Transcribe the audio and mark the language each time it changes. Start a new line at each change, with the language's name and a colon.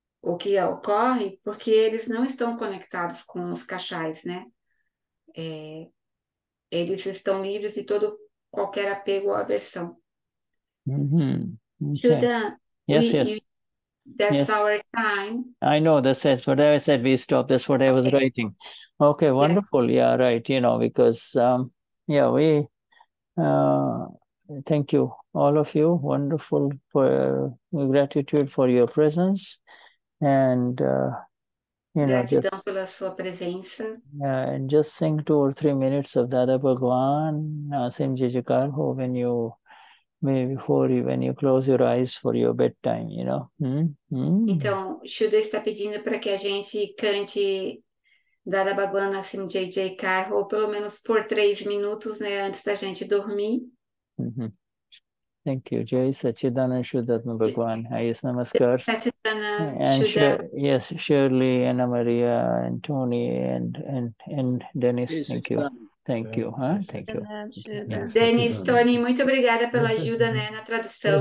Portuguese: o que ocorre, porque eles não estão conectados com os cachais, né? É, eles estão livres de todo qualquer apego ou aversão.
English: I know that says whatever I said, we stop. That's what I was writing. Okay, wonderful. Yes. Yeah, right. You know, because, thank you, all of you. Wonderful for gratitude for your presence. And,
Portuguese: gratidão pela sua presença.
English: And just sing 2 or 3 minutes of Dada Bhagwan, Aseem Jijikarho, when you. Maybe before you, when you close your eyes for your bedtime, you know.
Portuguese: Então, Shuddha está pedindo para que a gente cante Dada Bhagwan Na Aseem Jijikarho, ou pelo menos por 3 minutos, né, antes da gente dormir.
English: Thank you, Jai Satchidanand Shuddhatma Bhagwan. Ayas Namaskar. Satchidanand Shuddha. Yes, Shirley, Anna Maria, and Tony, and Dennis, thank you. Thank you. Huh? Thank you.
Portuguese: Dennis, Tony, muito obrigada pela ajuda, né, na tradução.